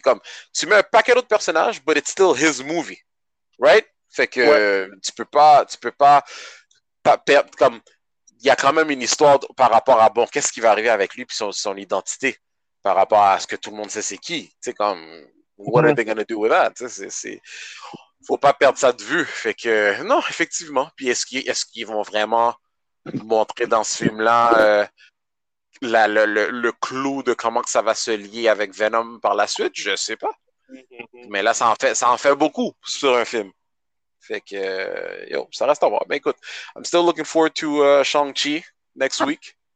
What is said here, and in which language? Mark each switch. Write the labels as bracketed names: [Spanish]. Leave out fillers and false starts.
[French] Comme, tu mets un paquet d'autres personnages, [English] but it's still his movie. Right? [French] Fait que tu peux pas perdre. Comme, il y a quand même une histoire par rapport à bon, qu'est-ce qui va arriver avec lui, puis son identité par rapport à ce que tout le monde sait c'est qui. Tu sais, comme, [English] what are they gonna do with that? [French] Faut pas perdre ça de vue. Fait que, non, effectivement. Puis est-ce qu'ils vont vraiment montrer dans ce film-là. Le clou de comment que ça va se lier avec Venom par la suite, je sais pas. Mais là, ça en fait beaucoup sur un film. Fait que, yo, ça reste à voir. Mais écoute, [English] I'm still looking forward to Shang-Chi next week.